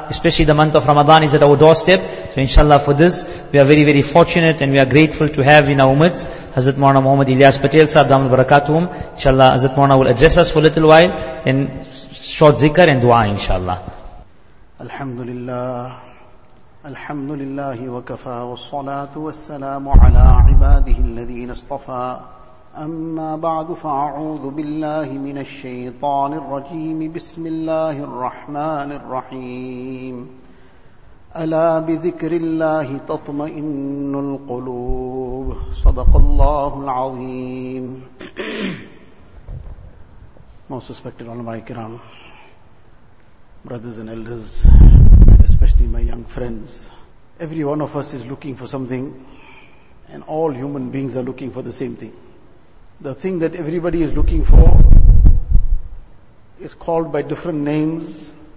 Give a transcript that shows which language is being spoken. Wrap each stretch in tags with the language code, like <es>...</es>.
<en>Especially the month of Ramadan is at our doorstep. So inshallah for this, we are very very fortunate and we are grateful to have in our midst Hazrat Maulana Muhammad Ilyas Patel sahab, damul barakatuhum. Inshallah Hazrat Maulana will address us for a little while in short zikr and dua inshallah. Alhamdulillah.</en> <ar>الحمد لله وكفى والصلاة والسلام على عباده الذين اصطفى أما بعد فأعوذ بالله من الشيطان الرجيم بسم الله الرحمن الرحيم ألا بذكر الله تطمئن القلوب صدق الله العظيم.</ar> <en>Most respected ulama ikram, brothers and elders, especially my young friends. Every one of us is looking for something, and all human beings are looking for the same thing. The thing that everybody is looking for is called by different names.</en>